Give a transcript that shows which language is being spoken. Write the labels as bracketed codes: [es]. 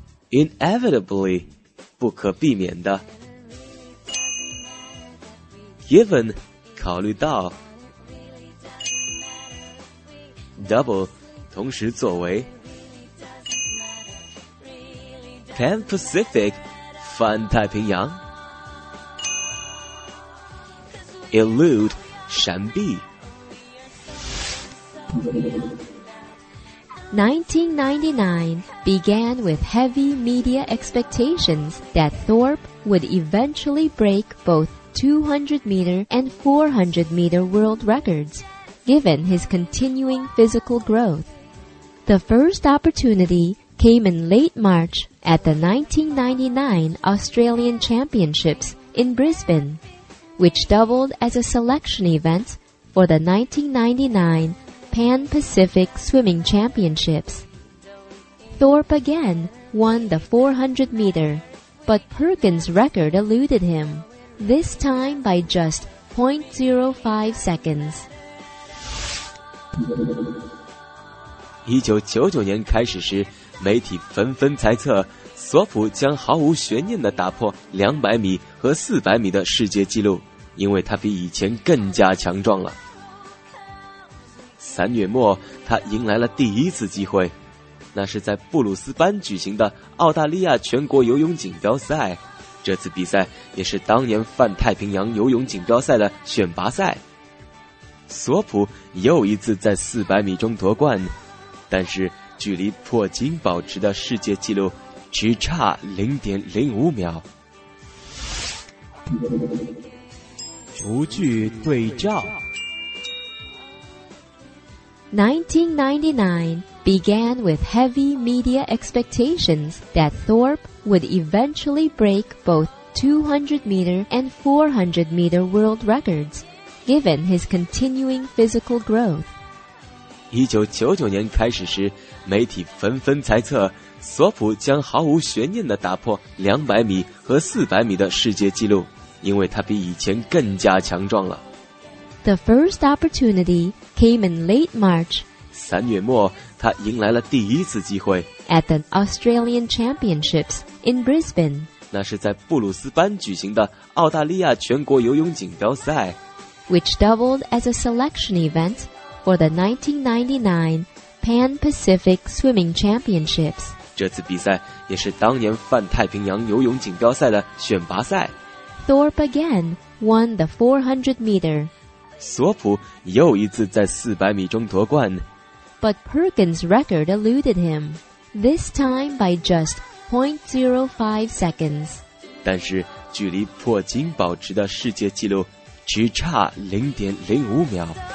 [en] Inevitably 不可避免的 Given 考虑到 Double 同时作为 Pan Pacific 泛太平洋 Elude 闪避 1999 began with heavy media expectations that Thorpe would eventually break both 200-meter and 400-meter world records, given his continuing physical growth. The first opportunity came in late March at the 1999 Australian Championships in Brisbane, which doubled as a selection event for the 1999Pan-Pacific Swimming Championships. Thorpe again won the 400-meter, but Perkins' record eluded him, this time by just 0.05 seconds. [zh] 1999年开始时，媒体纷纷猜测索普将毫无悬念地打破200米和400米的世界纪录，因为他比以前更加强壮了。三月末，他迎来了第一次机会，那是在布鲁斯班举行的澳大利亚全国游泳锦标赛。这次比赛也是当年泛太平洋游泳锦标赛的选拔赛。索普又一次在400米中夺冠，但是距离破金保持的世界纪录只差0.05秒。逐句对照。 [en] 1999 began with heavy media expectations that Thorpe would eventually break both 200-meter and 400-meter world records, given his continuing physical growth. [zh] 1999年开始时，媒体纷纷猜测索普将毫无悬念地打破200米和400米的世界纪录，因为他比以前更加强壮了。 [en] The first opportunity came in late March. [zh] 三月末，他迎来了第一次机会。 [en] At the Australian Championships in Brisbane. [zh] 那是在布鲁斯班举行的澳大利亚全国游泳锦标赛。 [en] Which doubled as a selection event for the 1999 Pan Pacific Swimming Championships. [zh] 这次比赛也是当年泛太平洋游泳锦标赛的选拔赛。 [en] Thorpe again won the 400 meter. [zh] 索普又一次在400米中夺冠。 [en] But Perkins' record eluded him, this time by just 0.05 seconds. [zh] 但是距离破金保持的世界纪录只差0.05秒。